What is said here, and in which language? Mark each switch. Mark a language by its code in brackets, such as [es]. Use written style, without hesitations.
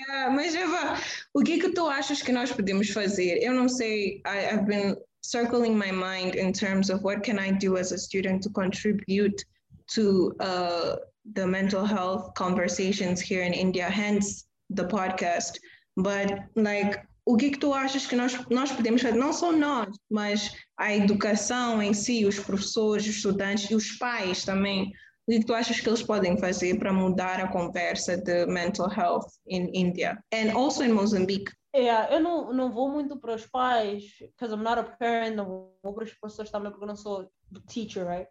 [pt] Mas Eva, o que que tu achas que nós podemos fazer? Eu não sei, [en] I've been circling my mind in terms of what can I do as a student to contribute to the mental health conversations here in India, hence the podcast. But like, [pt] o que tu achas que nós podemos fazer? Não só nós, mas a educação em si, os professores, os estudantes e os pais também. O que tu achas que eles podem fazer para mudar a conversa de [en] mental health in India and also in Mozambique? [pt] Yeah, eu não vou muito para os pais, [en] because I'm not a parent, [pt] não vou para os professores também porque eu não sou teacher, right?